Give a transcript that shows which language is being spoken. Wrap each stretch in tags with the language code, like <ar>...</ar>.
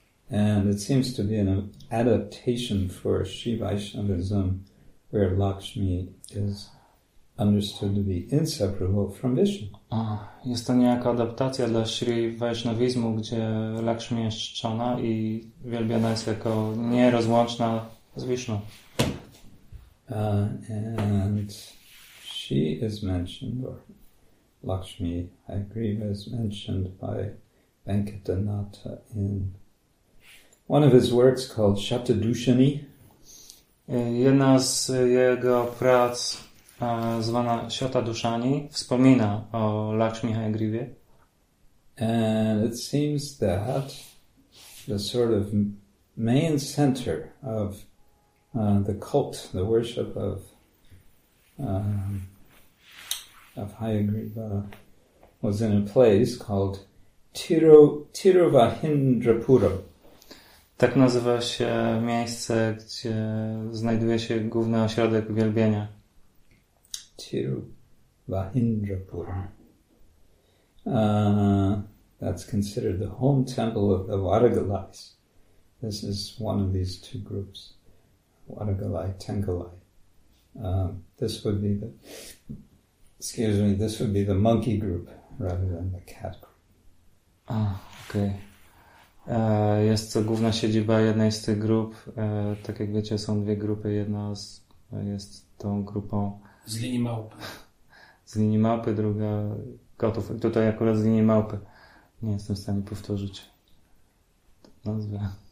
<en>And it seems to be an adaptation for Sri Vaishnavism, where Lakshmi is understood to be inseparable from Vishnu.</en> <pl>Jest to niejaka adaptacja dla Sri Vaishnavizmu, gdzie Lakshmi jest czczona i wielbiona jest jako nierozłączna z Vishnu.</pl> <en>And she is mentioned, or Lakshmi Hayagriva is mentioned by Venkatanatha in one of his works called Shatadushani.</en> <pl>Jedna z jego prac, zwana Shatadushani, wspomina o Lakshmi Hayagrivie.</pl> <en>And it seems that the sort of main center of the cult, the worship of Hayagriva, was in a place called Tiruvahindrapuram.</en> <pl>Tak nazywa się miejsce, gdzie znajduje się główny ośrodek uwielbienia.</pl> <en>Tiruvahindrapuram. That's considered the home temple of the Varagalais. This is one of these two groups. Varagalai, Tengalai. This would be the monkey group rather than the cat group. Ah, okay.</en> <pl>Jest to główna siedziba jednej z tych grup. Tak jak wiecie, są dwie grupy. Jedna jest tą grupą z linii małpy. Z linii małpy, druga gotów. Tutaj akurat z linii małpy. Nie jestem w stanie powtórzyć nazwę.</pl>